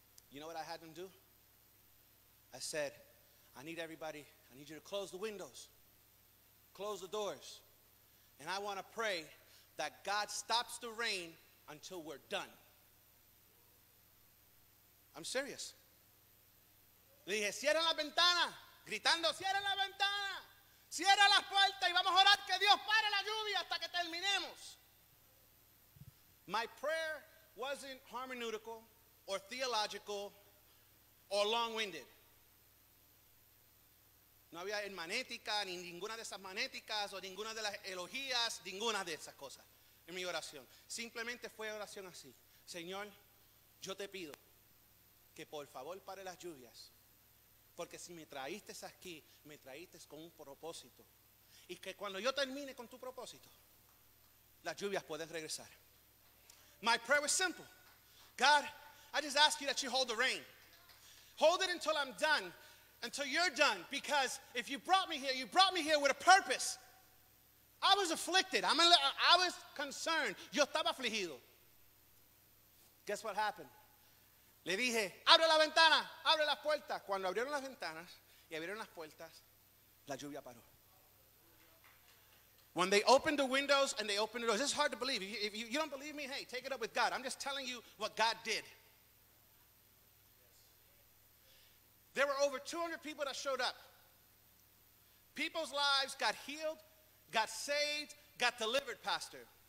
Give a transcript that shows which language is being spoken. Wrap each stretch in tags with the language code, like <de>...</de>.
<en>You know what I had them do? I said, I need you to close the windows, close the doors, and I want to pray that God stops the rain until we're done. I'm serious.</en> <es>Le dije, cierra la ventana, gritando, cierra la ventana, cierra la puerta y vamos a orar que Dios pare la lluvia hasta que terminemos.</es> <en>My prayer wasn't hermeneutical or theological or long-winded.</en> <es>No había hermanética, ni ninguna de esas manéticas o ninguna de las elogías, ninguna de esas cosas en mi oración. Simplemente fue oración así. Señor, yo te pido que por favor pare las lluvias, porque si me traíste aquí, me traíste con un propósito. Y que cuando yo termine con tu propósito, las lluvias pueden regresar.</es> <en>My prayer was simple. God, I just ask you that you hold the rain. Hold it until I'm done, until you're done. Because if you brought me here, you brought me here with a purpose. I was afflicted. I was concerned.</en> <es>Yo estaba afligido.</es> <en>Guess what happened?</en> <es>Le dije, abre la ventana, abre las puertas. Cuando abrieron las ventanas y abrieron las puertas, la lluvia paró.</es> <en>When they opened the windows and they opened the doors, this is hard to believe. If you don't believe me, hey, take it up with God. I'm just telling you what God did. There were over 200 people that showed up. People's lives got healed, got saved, got delivered, Pastor.</en>